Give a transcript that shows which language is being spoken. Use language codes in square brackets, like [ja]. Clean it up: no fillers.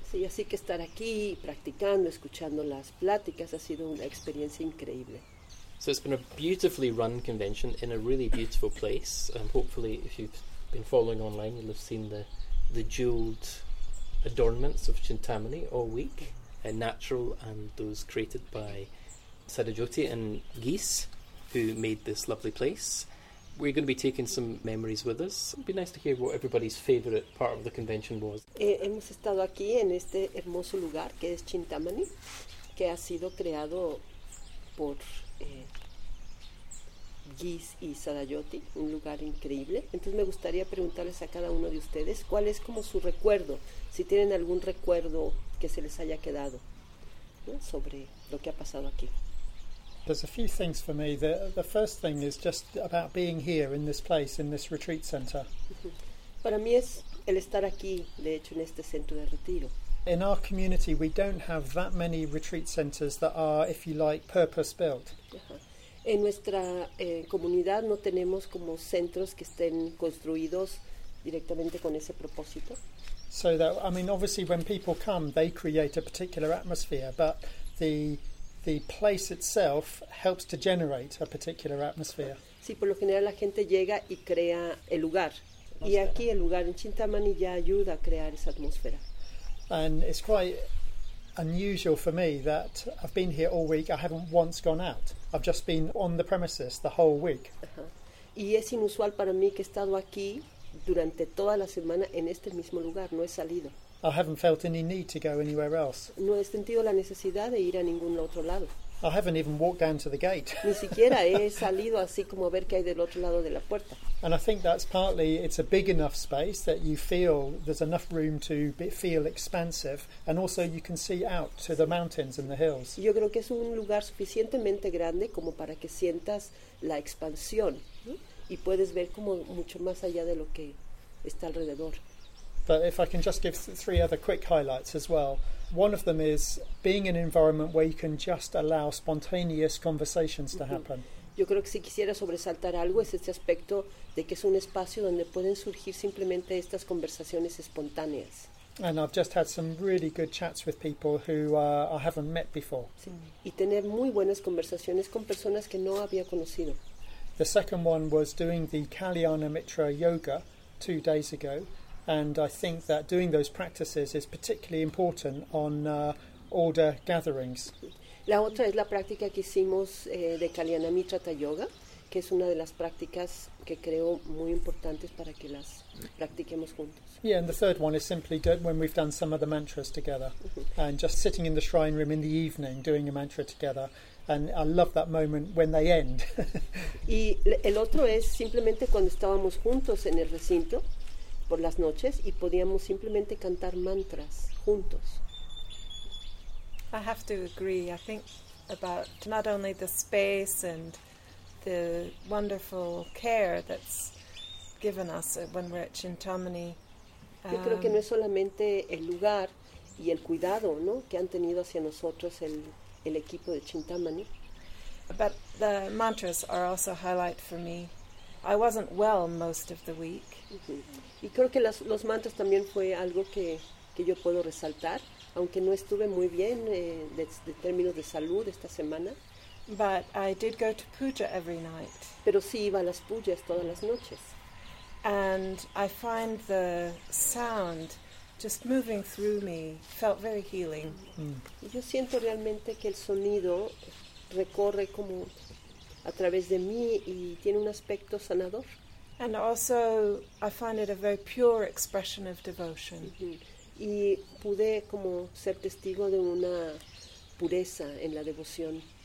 [es] Sí, así que estar aquí practicando, escuchando las pláticas ha sido una experiencia increíble. [en] So it's been a beautifully run convention in a really beautiful place. Hopefully, if you've been following online, you'll have seen the jeweled adornments of Chintamani all week, natural and those created by Sadajoti and Geese, who made this lovely place. We're going to be taking some memories with us. It'd be nice to hear what everybody's favorite part of the convention was. [es] Hemos estado aquí en este hermoso lugar que es Chintamani, que ha sido creado por Gis y Sadajoti, un lugar increíble. Entonces me gustaría preguntarles a cada uno de ustedes cuál es como su recuerdo, si tienen algún recuerdo que se les haya quedado, ¿no?, sobre lo que ha pasado aquí. [en] There's a few things for me. The first thing is just about being here in this place, in this retreat center. [es] Para mí es el estar aquí, de hecho, en este centro de retiro. [en] in our community, we don't have that many retreat centers that are, if you like, purpose-built. [es] En nuestra comunidad no tenemos como centros que estén construidos directamente con ese propósito. [en] So that, I mean, obviously when people come, they create a particular atmosphere, but the place itself helps to generate a particular atmosphere. [es] Sí, por lo general la gente llega y crea el lugar. Y aquí el lugar en Chintamani ya ayuda a crear esa atmósfera. [en] And it's quite unusual for me that I've been here all week, I haven't once gone out. I've just been on the premises the whole week. [es] Y es inusual para mí que he estado aquí durante toda la semana en este mismo lugar, no he salido. [en] I haven't felt any need to go anywhere else. [es] No he sentido la necesidad de ir a ningún otro lado. [en] I haven't even walked down to the gate. [es] Ni siquiera he salido así como a ver qué hay del otro lado de la puerta. [en] And I think that's partly, it's a big enough space that you feel there's enough room to feel expansive, and also you can see out to the mountains and the hills. [es] Yo creo que es un lugar suficientemente grande como para que sientas la expansión, ¿no? Y puedes ver como mucho más allá de lo que está alrededor. [en] But if I can just give three other quick highlights as well. One of them is being in an environment where you can just allow spontaneous conversations to happen. [es] Yo creo que si quisiera sobresaltar algo es este aspecto de que es un espacio donde pueden surgir simplemente estas conversaciones espontáneas. [en] And I've just had some really good chats with people who I haven't met before. [es] Y tener muy buenas conversaciones con personas que no había conocido. [en] The second one was doing the Kalyana Mitra yoga 2 days ago. And I think that doing those practices is particularly important on order gatherings. [es] La otra es la práctica que hicimos de Kalyana Mitra Yoga, que es una de las prácticas que creo muy importantes para que las practiquemos juntos. [en] Yeah, and the third one is simply when we've done some of the mantras together, and just sitting in the shrine room in the evening doing a mantra together. And I love that moment when they end. [es] Y el otro es simplemente cuando estábamos juntos en el recinto por las noches y podíamos simplemente cantar mantras juntos. [en] I have to agree. I think about not only the space and the wonderful care that's given us when we're at Chintamani. [es] Yo creo que no es solamente el lugar y el cuidado, ¿no?, que han tenido hacia nosotros el equipo de Chintamani. [en] But the mantras are also a highlight for me. I wasn't well most of the week. [es] Y creo que los mantras también fue algo que yo puedo resaltar, aunque no estuve muy bien de términos de salud esta semana. [en] But I did go to puja every night. [es] Pero sí iba a las pujas todas las noches. [en] And I find the sound just moving through me felt very healing. [es] Y yo siento realmente que el sonido recorre como a través de mí y tiene un aspecto sanador. [en] And also, I find it a very pure expression of devotion. [es] Y pude como ser testigo de una pureza en la devoción.